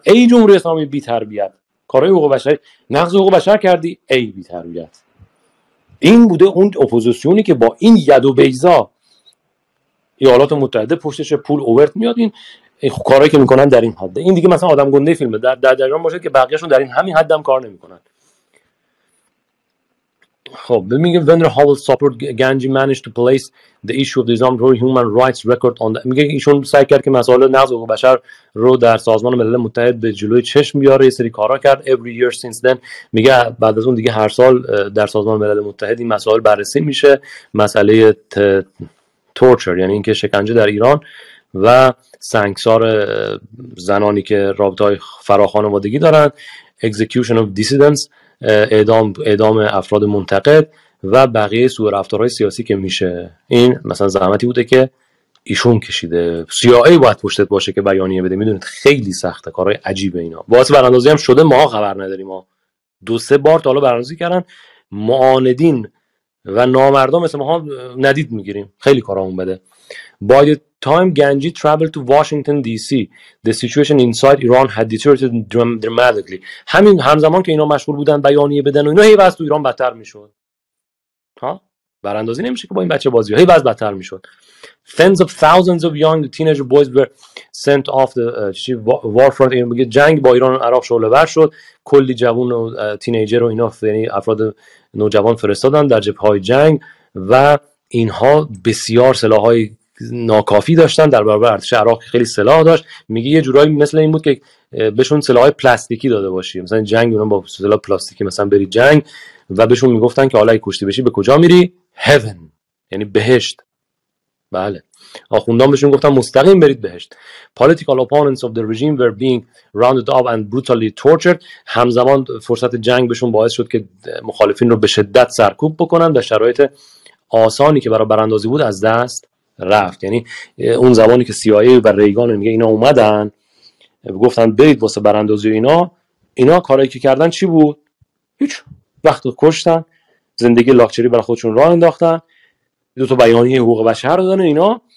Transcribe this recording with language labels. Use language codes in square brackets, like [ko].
[fa] ای جمهوری اسلامی بی تربیت، کارهای حقوق بشر نقض حقوق بشر کردی، ای بی تربیت. این بوده اون اپوزیسیونی که با این ید و بیزا ایالات متحده پشتش پول اوورت میاد، این کارهایی که میکنن در این حده. این دیگه مثلا آدم گنده فیلمه. در جریان باشه که بقیهشون در این همین حد هم کار نمیکنن. خب میگه [en] when Howell supported Ganji managed to place the issue of the Islam for human rights record on the... [fa] میگه ایشون سعی کرد که مسائل نقض حقوق بشر رو در سازمان ملل متحد به جلوی چشم بیاره، یه سری کارا کرد. [en] Every year since then. [fa] میگه بعد از اون دیگه هر سال در سازمان ملل متحد این مسائل بررسی میشه، مسئله تورچر یعنی اینکه شکنجه در ایران و سنگسار زنانی که رابطه های فراخانوادگی دارن، [en] execution of dissidents [fa] اعدام افراد منتقد و بقیه سوء رفتارهای سیاسی که میشه. این مثلا زحمتی بوده که ایشون کشیده. CIA باید پشتت باشه که بیانیه بده. میدونید خیلی سخته، کارهای عجیبه اینا. واسه براندازی هم شده، ما خبر نداریم، ما دو سه بار تا حالا برنامه‌ریزی کردن، معاندین و نامردم مثل ما ها ندید میگیریم، خیلی کارامون بده. [en] By the time Ganji traveled to Washington DC, the situation inside Iran had deteriorated dramatically. [fa] همین همزمان که اینا مشغول بودن بیانیه بدن و اینا، هی وضع تو ایران بدتر میشد. ها؟ براندازی نمیشه که با این بچه بازی، هی وضع بدتر میشد. [en] Tens of thousands of young teenage boys were sent off the war front. [fa] جنگ با ایران و عراق شعله ور شد. کلی جوان و تینیجر و اینا، یعنی افراد نوجوان فرستادن در جبهه های جنگ و اینها بسیار سلاح‌های ناکافی داشتن در برابر ارتش عراق، خیلی سلاح داشت. میگه یه جورایی مثل این بود که بهشون سلاح‌های پلاستیکی داده باشی، مثلا جنگ اونا با سلاح پلاستیکی مثلا بری جنگ، و بهشون میگفتن که حالا اگه کشته بشی به کجا میری؟ heaven، یعنی بهشت. بله، آخوندان بهشون گفتن مستقیم برید بهشت. [en] political opponents of the regime were being rounded up and brutally tortured. [fa] همزمان فرصت جنگ بهشون باعث شد که مخالفین رو به شدت سرکوب بکنن، در شرایط آسانی که برای براندازی بود از دست رفت. یعنی اون زمانی که CIA و ریگان میگه اینا اومدن گفتن برید واسه براندازی اینا، اینا کاری که کردن چی بود؟ هیچ، وقت رو کشتن، زندگی لاکچری برای خودشون راه انداختن، دو تا بیانیه حقوق بشر دادن اینا.